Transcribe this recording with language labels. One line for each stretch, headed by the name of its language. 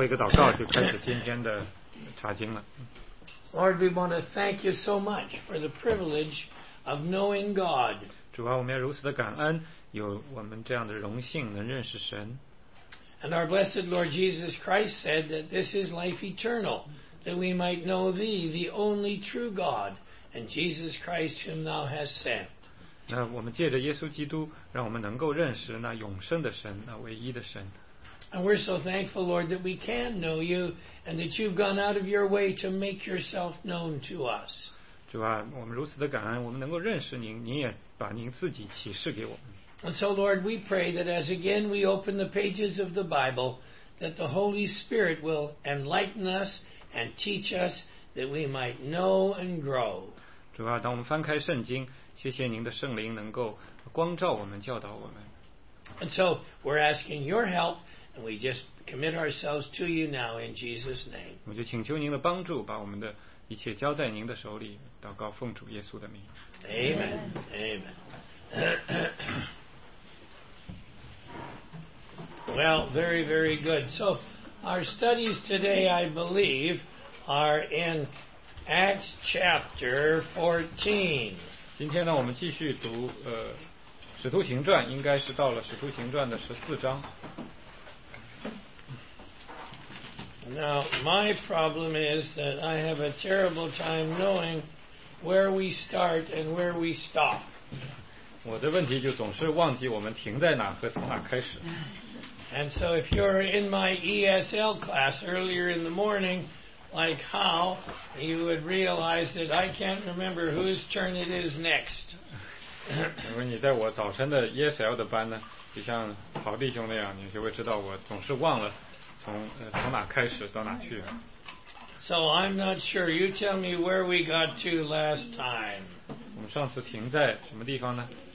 Chinese: 做一个祷告，就开始今天的查经了。
English: Lord, we want to thank you so much for the privilege of knowing God.
Chinese: 主啊，我们要如此的感恩，有我们这样的荣幸能认识神。
English: And our blessed Lord Jesus Christ said that this is life eternal, that we might know Thee, the only true God, and Jesus Christ, whom Thou hast sent.
Chinese: 那我们借着耶稣基督，让我们能够认识那永生的神，那唯一的神。
English: And we're so thankful, Lord, that we can know you and that you've gone out of your way to make yourself known to us.
Chinese: 主啊，我们如此的感恩，我们能够认识您，您也把您自己启示给我们。
English: And so, Lord, we pray that as again we open the pages of the Bible, that the Holy Spirit will enlighten us and teach us that we might know and grow.
Chinese: 主啊，当我们翻开圣经，谢谢您的圣灵能够光照我们，教导我们。
English: And so, we're asking your help, and we just commit ourselves to you now in Jesus' name.
Chinese: 我就请求您的帮助，把我们的一切交在您的手里，祷告奉主耶稣的名。
English: Amen. Amen. Well, very, very good. So, our studies today, I believe, are in Acts chapter 14.
Chinese: 今天呢，我们继续读《使徒行传》，应该是到了《使徒行传》的14章。
English: Now, my problem is that I have a terrible time knowing where we start and where we stop.
Chinese: 我的问题就总是忘记我们停在哪和从哪开始。
English: And so if you're in my ESL class earlier in the morning, like how, you would realize that I can't remember whose turn it is next.
Chinese: 如果你在我早晨的 ESL 的班呢，就像陶弟兄那样，你就会知道我总是忘了从哪开始到哪去。
English: So I'm not sure. You tell me where we got to last time.
Chinese: 我们上次停在什么地方呢？